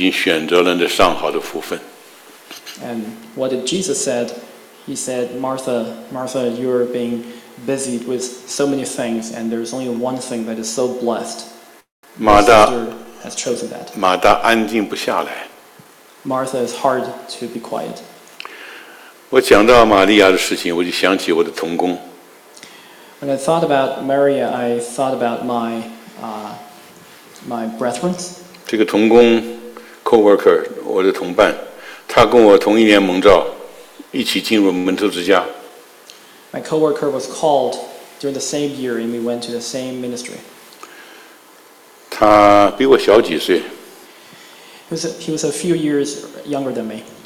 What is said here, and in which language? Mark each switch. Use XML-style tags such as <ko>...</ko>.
<zh>然后说玛利亚已经选择了那上好的福分。</zh> <en>And what did Jesus said? He said, Martha, Martha, you're being busied with so many things, and there's only one thing that is so blessed. Martha has chosen that.</en> <zh>马大安静不下来。</zh> <en>Martha is hard to be quiet.</en> <zh>我讲到玛利亚的事情, 我就想起我的同工。</zh> <en>When I thought about Mary, I thought about my, my brethren.</en> <zh>这个同工,</zh> <en>co-worker,</en> <zh>我的同伴, 他跟我同一年蒙召, 一起进入门徒之家。</zh> <en>My co-worker was called during the same year and we went to the same ministry.</en> <zh>他比我小几岁。</zh> <en>He was a few years younger than me.</en>